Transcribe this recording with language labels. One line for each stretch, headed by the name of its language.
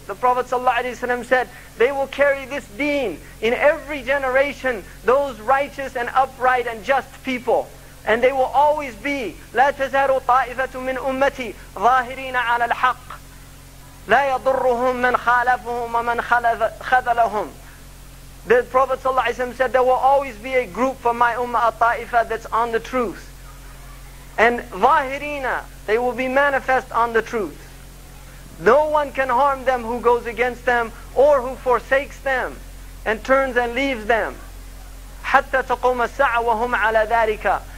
English: The Prophet ﷺ said, they will carry this deen in every generation, those righteous and upright and just people.
Arabic: And they will always be, لَا تَزَارُ طَائِفَةٌ مِّنْ أُمَّتِي ظَاهِرِينَ عَلَى الْحَقِّ لَا يَضُرُّهُمْ مَنْ خَالَفُهُمْ وَمَنْ خَذَلَهُمْ.
English: The Prophet ﷺ said, there will always be a group for my ummah, a ta'ifa, that's on the truth. And vahirina, they will be manifest on the truth. No one can harm them who goes against them or who forsakes them and turns and leaves them. حَتَّى تَقُومَ السَّعَ وَهُمْ عَلَى ذَٰلِكَ.